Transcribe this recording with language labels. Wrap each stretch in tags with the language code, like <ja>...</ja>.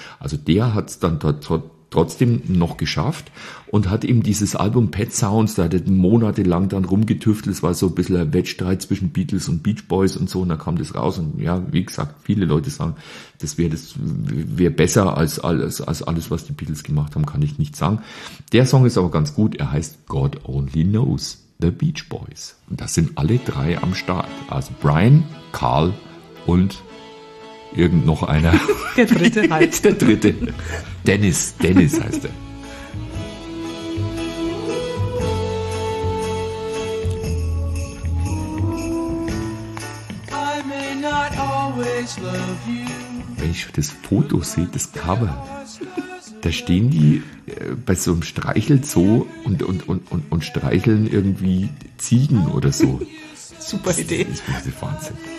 <de>Also der hat es dann trotzdem noch geschafft und hat eben dieses Album Pet Sounds, da hat er monatelang dann rumgetüftelt, es war so ein bisschen ein Wettstreit zwischen Beatles und Beach Boys und so und da kam das raus und ja, wie gesagt, viele Leute sagen, das wär besser als alles, was die Beatles gemacht haben, kann ich nicht sagen. Der Song ist aber ganz gut, er heißt God Only Knows, The Beach Boys. Und das sind alle drei am Start, also Brian, Carl und irgend noch einer. Der dritte halt. Der dritte. Dennis heißt er.</de> <en>I may not always love you.</en> <de>Wenn ich das Foto sehe, das Cover, da stehen die bei so einem Streichelzoo und streicheln irgendwie Ziegen oder so. Super Idee. Das ist wirklich Wahnsinn.</de>